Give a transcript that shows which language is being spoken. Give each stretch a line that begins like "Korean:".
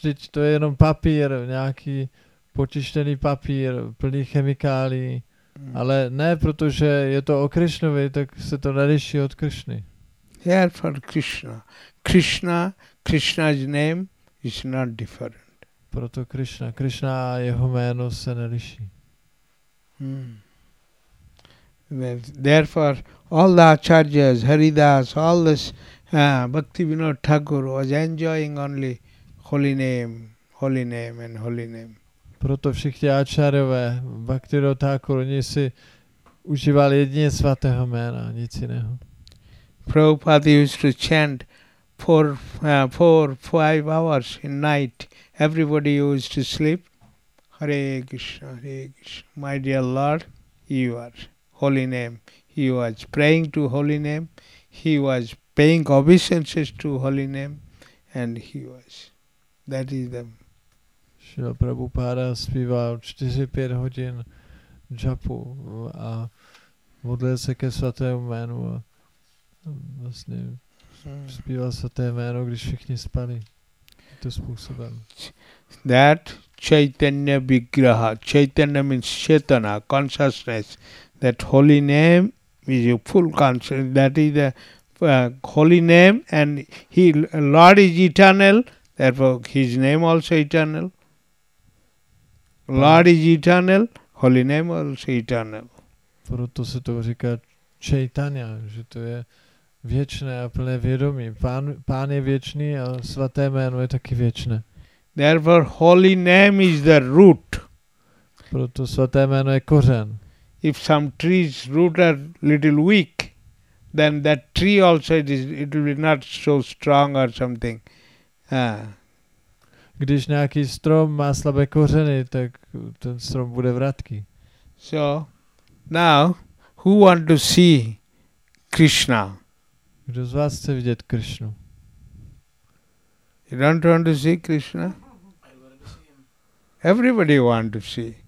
Czech: Teď to je jenom papír, nějaký počištěný papír, plný chemikálí. Ale ne, protože je to o Krishnovi, tak se to neliší od Krishny.
English: Here for Krishna. Krishna's name is not different.
Czech: Proto Krishna. Krishna a jeho jméno se neliší.
English: Therefore, all the acharyas, Haridas, all this Bhaktivinoda Thakur was enjoying only holy name.
Czech: Proto všichni áčárové, Bhaktivinoda Thakur, oni si užívali jedině svatého jména, nic jiného.
English: Prabhupada used to chant four, five hours in night. Everybody used to sleep. Hare Krishna, my dear Lord, you are holy name. He was praying to holy name. He was paying obeisances to holy name. And he was, that is the...
Czech: Šila Prabhupáda zpívá 4-5 hodin džapu a modlil se ke svatému jménu a vlastně zpíval svaté jméno, když všichni spali. To způsobem.
English: That Chaitanya Vigraha. Chaitanya means Chetana, consciousness. That holy name is your full consciousness. That is the holy name, and he, Lord is eternal, therefore his name also eternal. Lord is eternal, holy name also eternal.
Czech: Proto se to říká Chaitanya, že to je věčné a plné vědomí. Pán je věčný a svaté jméno je taky věčné.
English: Therefore holy name is the root.
Czech: Proto svaté jméno je kořen.
English: If some tree's root are little weak, then that tree also it will be not so strong or something.
Czech: Když nějaký strom má slabé kořeny, tak ten strom bude vratký.
English: So now who want to see Krishna?
Czech: Kdo z vás chce vidět Krishnu?
English: You don't want to see Krishna? Everybody want to see.